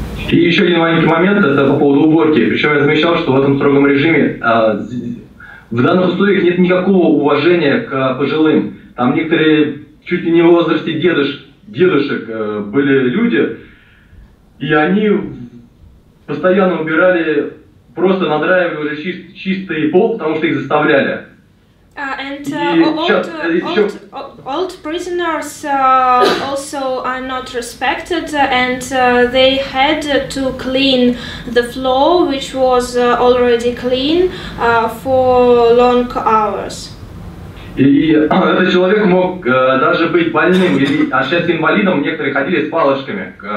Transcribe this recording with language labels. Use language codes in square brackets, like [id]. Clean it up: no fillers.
[ru] И еще один маленький момент, это по поводу уборки. Причем я замечал, что в этом строгом режиме в данных условиях нет никакого уважения к пожилым. Там некоторые чуть ли не в возрасте дедушек были люди, и они постоянно убирали, просто надраивали уже чистый пол, потому что их заставляли. [en] Old prisoners also are not respected, and they had to clean the floor, which was already clean, for long hours. [ru] И этот человек мог даже быть больным или считаться инвалидом. Некоторые ходили с палочками.